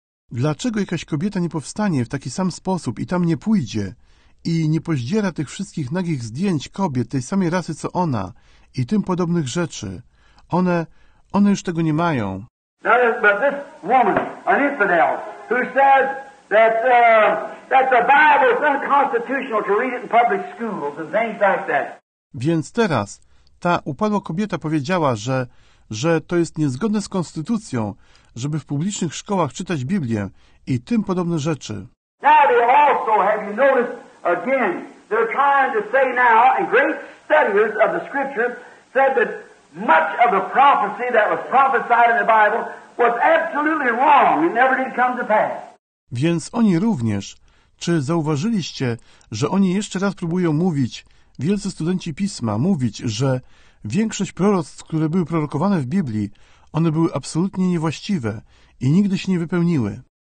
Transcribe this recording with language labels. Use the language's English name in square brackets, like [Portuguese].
[Polish] Dlaczego jakaś kobieta nie powstanie w taki sam sposób i tam nie pójdzie i nie pozdziera tych wszystkich nagich zdjęć kobiet tej samej rasy co ona i tym podobnych rzeczy? One już tego nie mają. [English] Now, but this woman, an infidel, who says that that the Bible is unconstitutional to read it in public schools and things like that. [Polish] Więc teraz ta upadła kobieta powiedziała, że to jest niezgodne z konstytucją, żeby w publicznych szkołach czytać Biblię i tym podobne rzeczy. [English] Now they also, have you noticed again, they're trying to say now, and great studiers of the scriptures said that much of the prophecy that was prophesied in the Bible was absolutely wrong and never did come to pass. [Polish] Więc oni również, czy zauważyliście, że oni jeszcze raz próbują mówić, wielcy studenci Pisma, mówić, że większość proroctw, które były prorokowane w Biblii, one były absolutnie niewłaściwe i nigdy się nie wypełniły.